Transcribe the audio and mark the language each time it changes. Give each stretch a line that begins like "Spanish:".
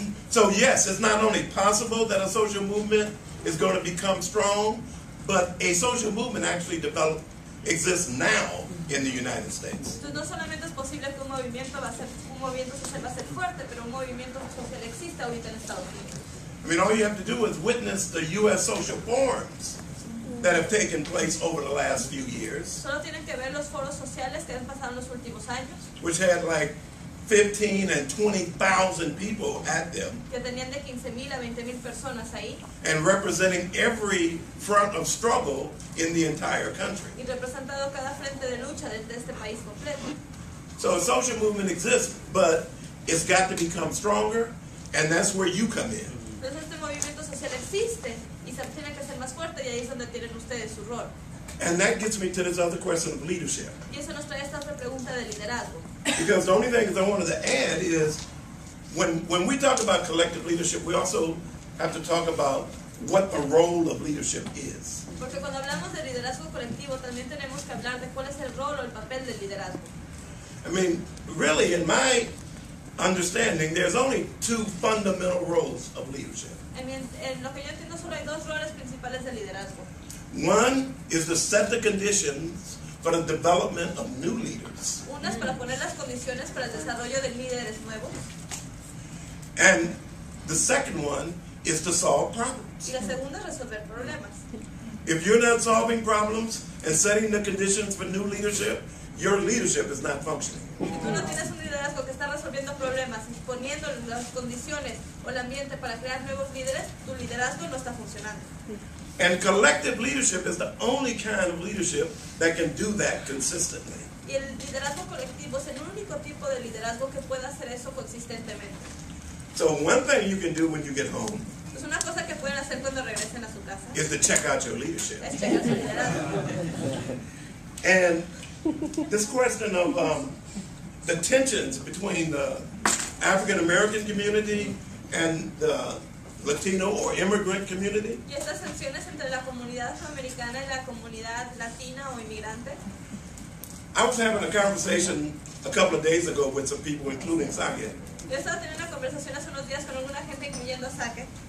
English: So yes, it's not only possible that a social movement is going to become strong, but a social movement actually developed, exists now in the United States.
Spanish: No solamente es posible que un movimiento social va a ser fuerte, pero un movimiento social existe ahorita en Estados Unidos.
English: I mean, all you have to do is witness the U.S. social forums that have taken place over the last few years.
Spanish: Solo tienen que ver los foros sociales que han pasado en los últimos años.
English: Which had like 15 and 20,000 people at them.
Spanish: Que tenían de 15,000 a 20,000 personas ahí.
English: And representing every front of struggle in the entire country.
Spanish: Y representado cada frente de lucha de este país completo.
English: So a social movement exists, but it's got to become stronger, and that's where you come in.
Spanish: Entonces este movimiento social existe y se tiene que hacer más fuerte, y ahí es donde tienen ustedes su rol.
English: And that gets me to this other question of leadership.
Spanish: Y eso nos trae esta otra pregunta de liderazgo.
English: Because the only thing that I wanted to add is, when we talk about collective leadership, we also have to talk about what the role of leadership is.
Spanish: Porque cuando hablamos de liderazgo colectivo, también tenemos que hablar de cuál es el rol o el papel del liderazgo.
English: I mean, really, in my understanding, there's only two fundamental roles of leadership.
Spanish: En lo que yo entiendo, solo hay dos roles principales de liderazgo.
English: One is to set the conditions for the development of new leaders.
Spanish: Una es para poner las condiciones para el desarrollo de líderes nuevos.
English: And the second one is to solve problems.
Spanish: Y la segunda es resolver problemas.
English: If you're not solving problems and setting the conditions for new leadership, your leadership is not functioning.
Spanish: Si tú no tienes un liderazgo que está resolviendo problemas y poniendo las condiciones o el ambiente para crear nuevos líderes, tu liderazgo no está funcionando.
English: And collective leadership is the only kind of leadership that can do that consistently.
Spanish: Y el liderazgo colectivo es el único tipo de liderazgo que puede hacer eso consistentemente.
English: So one thing you can do when you get home
Spanish: es una cosa que pueden hacer cuando regresen a su casa
English: is to check out your leadership.
Spanish: Es checar su liderazgo.
English: And this question of the tensions between the African American community and the Latino or immigrant community.
Spanish: Y estas tensiones entre la comunidad afroamericana y la comunidad latina o inmigrante.
English: I was having a conversation a couple of days ago with some people, including Sake.
Spanish: Yo estaba teniendo una conversación hace unos días con alguna gente, incluyendo Sake.